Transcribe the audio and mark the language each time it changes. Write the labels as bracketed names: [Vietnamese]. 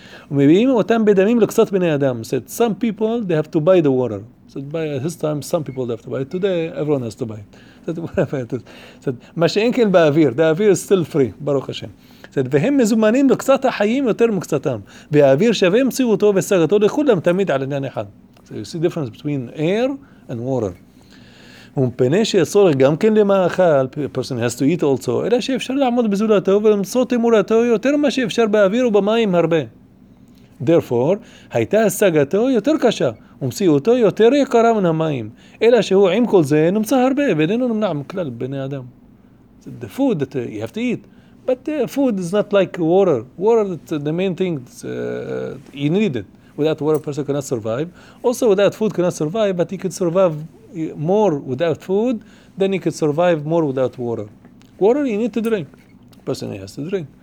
[Hebrew] ומביאים אותם בדמים לקצת בני אדם. [English] Said, some people, they have to buy the water. Said, by this time, some people have to buy it. Today, everyone has to buy it. Said, whatever it is. Said, [Hebrew] מה שאין כן באוויר, [English] the air is still free, ברוך השם. [Hebrew] Said, והם מזומנים לקצת החיים יותר מקצתם. והאוויר שווה מציאותו וסרתו לכולם תמיד על עניין אחד. [English] So you see the difference between air and water. [Hebrew] ומפני שצורך גם כן למאכל, [English] a person has to eat also, [Hebrew] אלא שאפשר לעמוד בזולתו ולמצוא תמורתו יותר מה שאפשר באוויר ובמים הרבה. Therefore, הייתה השגתו יותר קשה, ומציאותו יותר יקרה מן המים, אלא שהוא עם כל זה נמצא הרבה, ואיננו נמנע מכלל בני אדם. [English] So the food that you have to eat, but food is not like water. Water is the main thing that you need it. Without water, a person cannot survive. Also, without food, cannot survive, but he could survive more without food than he could survive more without water. Water, you need to drink. Person has to drink.